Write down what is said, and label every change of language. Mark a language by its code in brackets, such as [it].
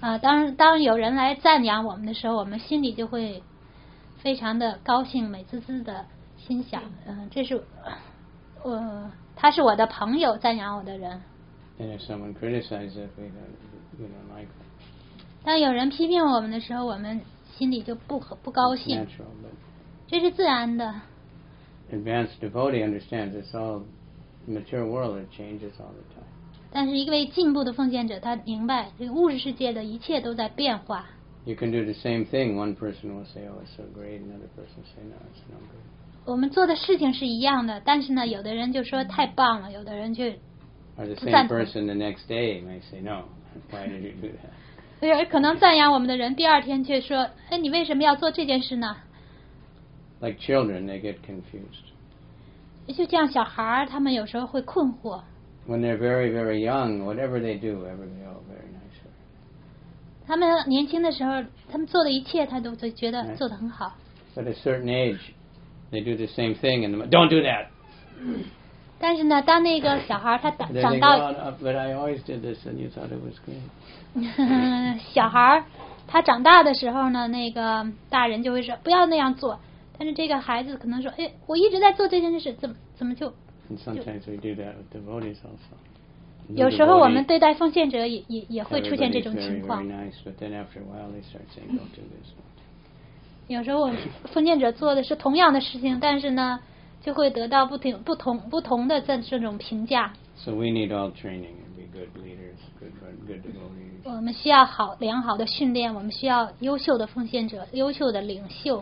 [zh] 啊，当有人来赞扬我们的时候，我们心里就会非常的高兴，美滋滋的心想，这是我，他是我的朋友，赞扬我的人。 [en] And if someone criticizes it, we don't like them. [zh] 当有人批评我们的时候，我们心里就不高兴。 [en] It's natural, but [zh] 这是自然的。 [en] Advanced devotee understands it's all material world, it changes all the time. [zh] 但是一位进步的奉献者，他明白这个物质世界的一切都在变化。 [en] You can do the same thing. One person will say, "Oh, it's so great." Another person will say, "No, it's no good." [zh] 我们做的事情是一样的，但是呢，有的人就说太棒了，有的人却。 [en] Or the same person the next day may say, "No, why did you do that?" [zh] 可能赞扬我们的人第二天却说，哎，你为什么要做这件事呢？ [en] Like children, they get confused. [zh] 就像小孩，他们有时候会困惑。 [en] When they're very, very young, whatever they do, everybody will be very nice. [zh] 他们年轻的时候，他们做的一切，他都觉得做得很好。 [en] But at a certain age, they do the same thing, and don't do that! [zh] 但是呢，当那个小孩他长到 [en] But I always did this, and you thought it was great. [zh] 小孩他长大的时候呢，那个大人就会说不要那样做，但是这个孩子可能说，哎，我一直在做这件事，怎么就 [en] And sometimes we do that with devotees also. [zh] 有时候我们对待奉献者也会出现这种情况。 [en] Everybody's very, very nice, but then after a while they start saying, don't do this. [zh] 有时候奉献者做的是同样的事情，但是呢就会得到不同的这种评价。 [en] So we need all training and be good leaders, good devotees. [zh] 我们需要好良好的训练，我们需要优秀的奉献者，优秀的领袖。